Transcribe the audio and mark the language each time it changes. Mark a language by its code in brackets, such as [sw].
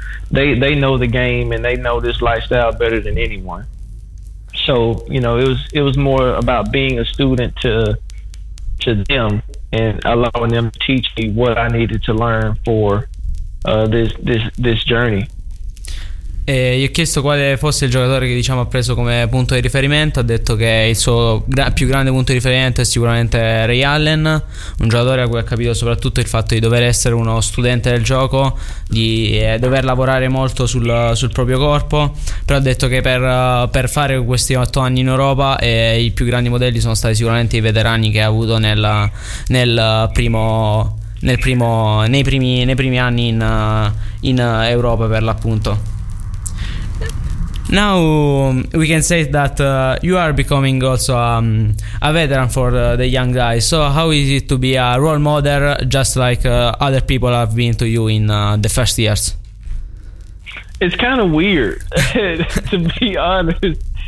[en] They know the game and they know this lifestyle better than anyone. So, you know, it was more about being a student to them and allowing them to teach me what I needed to learn for this journey. [it] E gli ho chiesto quale fosse il giocatore che, diciamo, ha preso come punto di riferimento. Ha detto che il suo più grande punto di riferimento è sicuramente Ray Allen, un giocatore a cui ha capito soprattutto il fatto di dover essere uno studente del gioco, di dover lavorare molto sul proprio corpo. Però ha detto che per fare questi 8 anni in Europa, i più grandi modelli sono stati sicuramente i veterani che ha avuto nei primi anni in Europa, per l'appunto. [en] Now we can say that you are becoming also a veteran for the young guys. So how is it to be a role model just like other people have been to you in the first years? It's kind of weird, to be honest.